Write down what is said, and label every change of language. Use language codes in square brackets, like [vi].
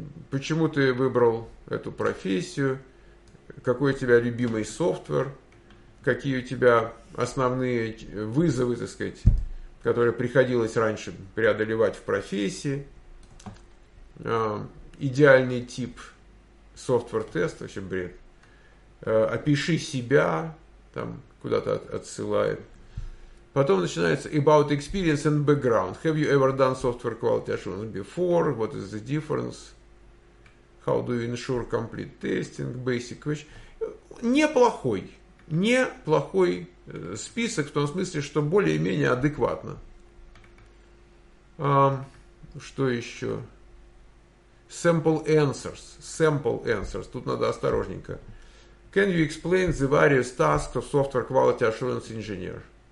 [ru] Почему ты выбрал эту профессию, какой у тебя любимый софтвер, какие у тебя основные вызовы, так сказать, которые приходилось раньше преодолевать в профессии, идеальный тип софтвер-теста, вообще бред, опиши себя, там куда-то отсылает. Потом начинается [en] about experience and background. Have you ever done software quality assurance before? What is the difference? How do you ensure complete testing, basic question. [ru] Неплохой. Неплохой список в том смысле, что более-менее адекватно. Что еще? [en] Sample answers. Sample answers. [ru] Тут надо осторожненько. [en] Can you explain the various tasks of software quality assurance engineer?